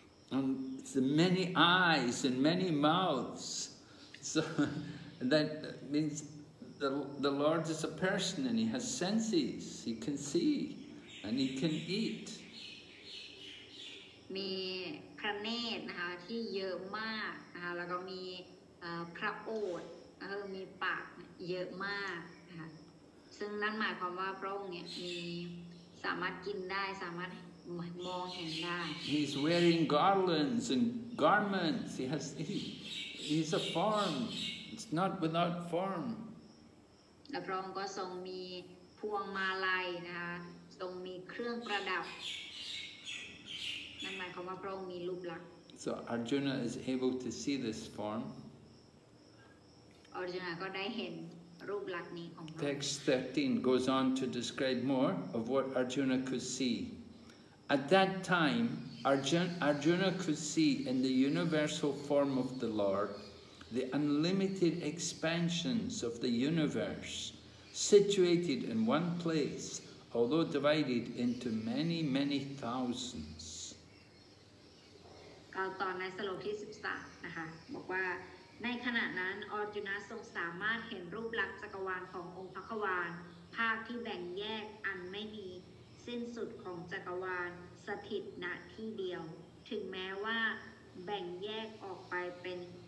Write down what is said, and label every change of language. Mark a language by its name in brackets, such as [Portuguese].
[English] And the many eyes and many mouths, so that means the Lord is a person and he has senses, he can see and he can eat. [Thai] มีพระเนตรนะคะที่เยอะมากนะคะแล้วก็มีพระโอษฐ์มีปากเยอะมากนะคะ ซึ่งนั่นหมายความว่าพระองค์เนี่ยมีสามารถกินได้สามารถมองเห็นได้ [English] He's wearing garlands and garments. He's a form. It's not without form. [Thai] และพระองค์ก็ทรงมีพวงมาลัยนะคะทรงมีเครื่องประดับนั่นหมายความว่าพระองค์มีรูปลักษณ์ [English] So Arjuna is able to see this form. [Thai] Arjuna ก็ได้เห็นรูปลักษณ์นี้ของพระองค์ [English] Text 13 goes on to describe more of what Arjuna could see. At that time, Arjuna could see in the universal form of the Lord. The unlimited expansions of the universe, situated in one place, although divided into many, many thousands. [Thai] ตอนในสโลกที่13นะคะบอกว่าในขณะนั้นอร์จุนะทรงสามารถเห็นรูปลักษณ์จักรวาลขององค์พระควานภาพที่แบ่งแยกอันไม่มีสิ้นสุดของจักรวาลสถิตณที่เดียวถึงแม้ว่าแบ่งแยกออกไปเป็น